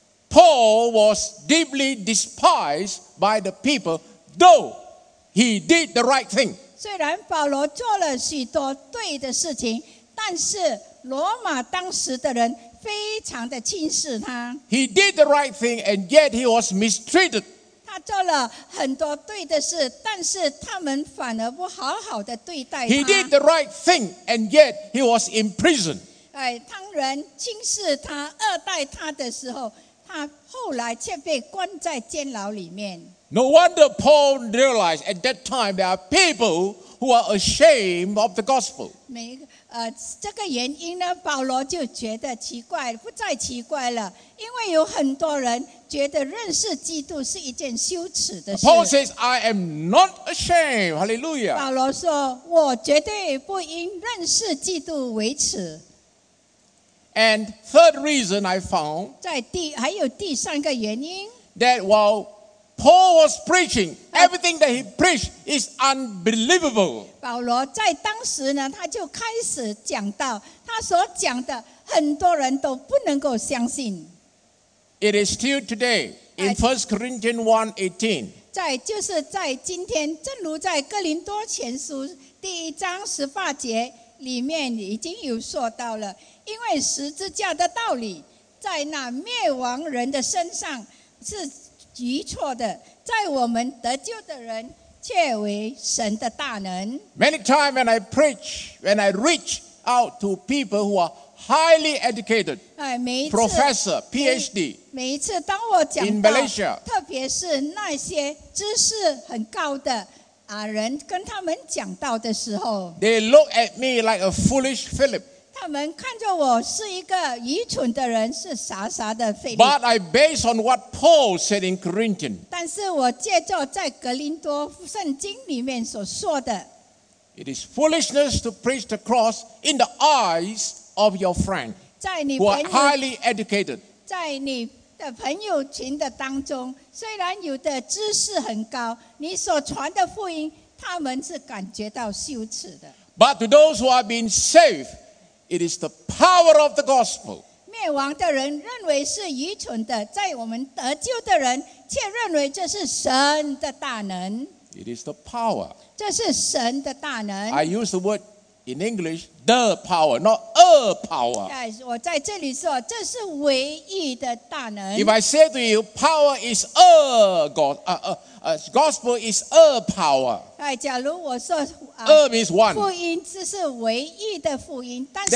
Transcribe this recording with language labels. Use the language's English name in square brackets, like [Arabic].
[English] Paul was deeply despised by the people, though he did the right thing. [Chinese] 虽然保罗做了许多对的事情，但是罗马当时的人非常的轻视他。 [English] He did the right thing, and yet he was mistreated. [Chinese] 他做了很多对的事，但是他们反而不好好的对待他。 [English] He did the right thing, and yet he was in prison. [Chinese] 当人轻视他、恶待他的时候，他后来却被关在监牢里面。 [English] No wonder Paul realized at that time there are people who are ashamed of the gospel. [Chinese] 这个原因呢，保罗就觉得奇怪，不再奇怪了，因为有很多人觉得认识基督是一件羞耻的事。 [English] Paul says, "I am not ashamed." Hallelujah. [Chinese] 保罗说，我绝对不因认识基督为耻。 [English] And third reason I found, [Chinese] 还有第三个原因, [English] that while Paul was preaching, everything that he preached is unbelievable. [Chinese] 保罗在当时呢, 他就开始讲道, 他所讲的, 很多人都不能够相信。 [English] It is still today in 1 Corinthians 1:18. [Chinese] 就是在今天, 正如在哥林多前书第一章18节里面已经有说到了, 因为十字架的道理, 在那灭亡人的身上是愚错的, 在我们得救的人却为神的大能。 [English] Many times when I preach, when I reach out to people who are highly educated, professor, PhD, [Chinese] 每一次当我讲到, [English] in Malaysia, [Chinese] 特别是那些知识很高的, 人跟他们讲到的时候, [English] they look at me like a foolish Philip. [Chinese] 他们看着我是一个愚蠢的人, 是傻傻的Philip. [English] But I based on what Paul said in Corinthians, [Chinese] 但是我借着在格林多圣经里面所说的, [English] it is foolishness to preach the cross in the eyes of your friend, who are highly educated. [Chinese] 在你的朋友群的当中, 虽然有的知识很高, 你所传的福音, 他们是感觉到羞耻的。 [English] But to those who have been saved, it is the power of the gospel. [Chinese] 灭亡的人认为是愚蠢的, 在我们得救的人, 却认为这是神的大能。 [English] It is the power. [Chinese] 这是神的大能。 [English] I use the word in English, the power, not a power. [Chinese] Yes, 我在这里说, 这是唯一的大能。 [English] If I say to you, power is a God, gospel is a power. [Chinese] 假如我说, [English] a means one. [Chinese] 福音只是唯一的福音, 但是,